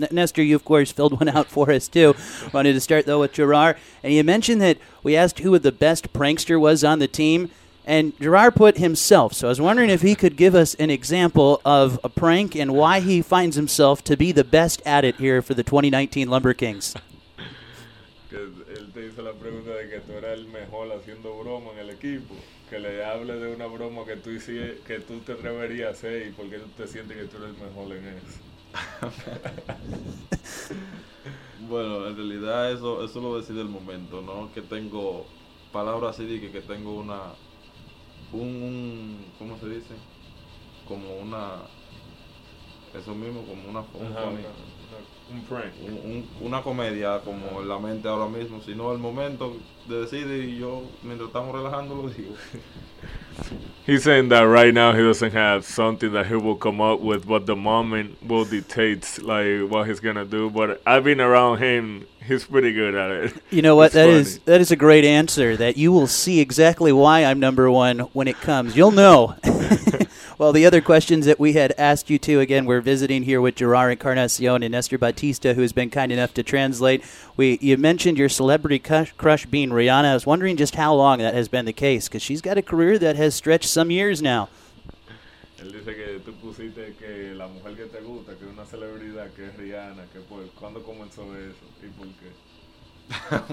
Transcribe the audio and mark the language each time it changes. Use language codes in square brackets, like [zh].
[en] Nestor, you, of course, filled one out for us, too. Wanted to start, though, with Gerard. And you mentioned that we asked who the best prankster was on the team. And Gerard put himself, so I was wondering if he could give us an example of a prank and why he finds himself to be the best at it here for the 2019 Lumber Kings. [es] Él te hizo la pregunta de que tú eras el mejor haciendo broma en el equipo. Que le hable de una broma que tú hiciste, que tú te atreverías a hacer y por qué tú te sientes que tú eres el mejor en eso. Bueno, en realidad eso lo decide el momento, ¿no? Que tengo palabras así de que tengo una... ¿cómo se dice? Como una... Eso mismo, como una... Un prank. Una comedia, como en la mente ahora mismo. Sino el momento de decide y yo, mientras estamos relajando, lo digo. [en] He's saying that right now he doesn't have something that he will come up with, but the moment will dictate like what he's gonna do. But I've been around him; he's pretty good at it. You know what? That is a great answer. That you will see exactly why I'm number one when it comes. You'll know. Well, the other questions that we had asked you to, again, we're visiting here with Gerard Encarnacion and Nestor Bautista, who has been kind enough to translate. You mentioned your celebrity crush being Rihanna. I was wondering just how long that has been the case, because she's got a career that has stretched some years now. [es] Él dice que tú pusiste que la mujer que te gusta, que es una celebridad, que es Rihanna, que pues, ¿cuándo comenzó eso y por qué?